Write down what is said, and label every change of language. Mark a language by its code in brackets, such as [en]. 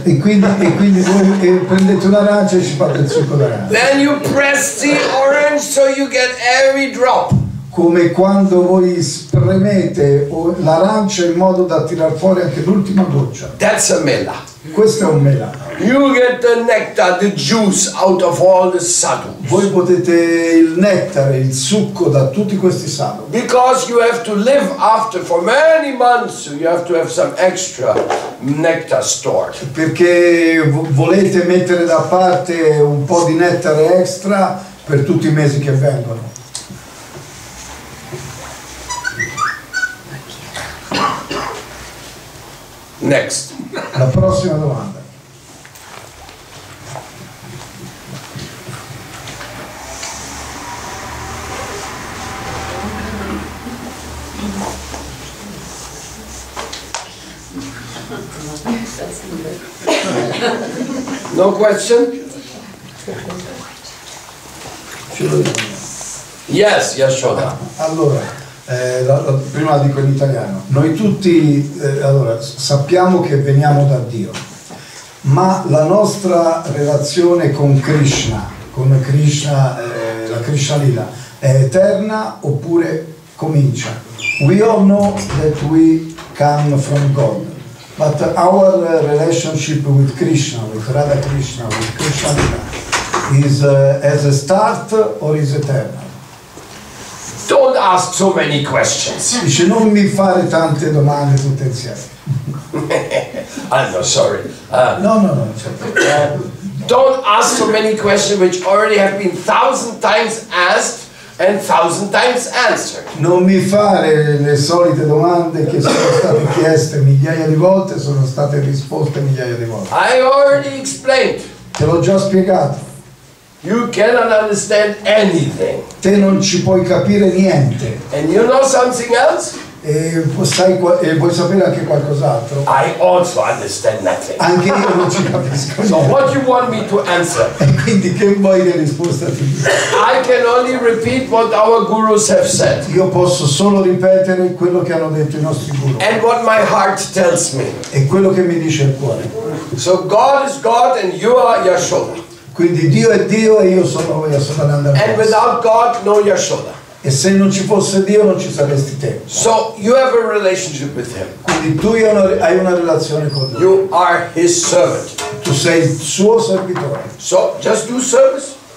[it] E quindi voi prendete un'arancia e ci fate il succo d'arancia. [en] Then you press the orange so you get every drop. [it] Come quando voi spremete l'arancia in modo da tirar fuori anche l'ultima goccia. [en] That's a mela. [it] Questo è un mela. [en] You get the nectar, the juice out of all the sadhus. [it] Voi potete il nettare, il succo da tutti questi sadhu. [en] Because you have to live after for many months, you have to have some extra nectar stored. [it] Perché volete mettere da parte un po' di nettare extra per tutti i mesi che vengono. [en] Next. [it] La prossima domanda. [en] No question? Yes, Yashoda. [it] Allora. Prima la dico in italiano. Noi tutti allora sappiamo che veniamo da Dio, ma la nostra relazione con Krishna, la Krishna Lila, è eterna oppure comincia? [en] We all know that we come from God, but our relationship with Krishna, with Radha Krishna, with Krishna Lila, is as a start or is eternal? Don't ask so many questions. [it] Dice, non mi fare tante domande tutte insieme. [en] I'm not sorry. No. Don't ask so many questions which already have been 1,000 times asked and 1,000 times answered. [it] Non mi fare le solite domande che sono state chieste migliaia di volte e sono state risposte migliaia di volte. [en] I already explained. [it] Te l'ho già spiegato. [en] You cannot understand anything. [it] Te non ci puoi capire niente. [en] And you know something else? [it] E vuoi sapere anche qualcos'altro? [en] I also understand nothing. [it] Anche io non ci capisco. [en] So what you want me to answer? [it] E quindi che vuoi le risposte a te? [en] I can only repeat what our gurus have said. [it] Io posso solo ripetere quello che hanno detto i nostri guru. [en] And what my heart tells me. [it] E quello che mi dice il cuore. [en] So God is God and you are Yashoda. [it] Quindi Dio è Dio e io sono Yashoda. [en] And without God, no Yashoda. [it] E se non ci fosse Dio non ci saresti te. [en] So you have a relationship with him. [it] Quindi tu hai una relazione con lui. [en] You are his servant. [it] Tu sei il suo servitore. [en] So just do service.